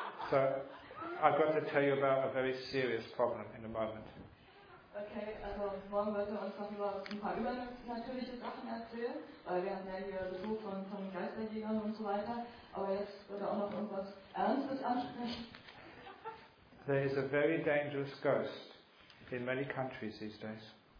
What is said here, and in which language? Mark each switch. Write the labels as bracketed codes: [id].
[en] So I've got to tell you about a very serious problem in a moment. [de] Okay, also morgen wollte uns noch über ein paar übernatürliche Sachen erzählen, weil wir haben ja hier Besuch von Geisterjägern und so weiter. Aber jetzt wird er auch noch irgendwas Ernstes ansprechen. [en] There is a very dangerous ghost in many countries these days.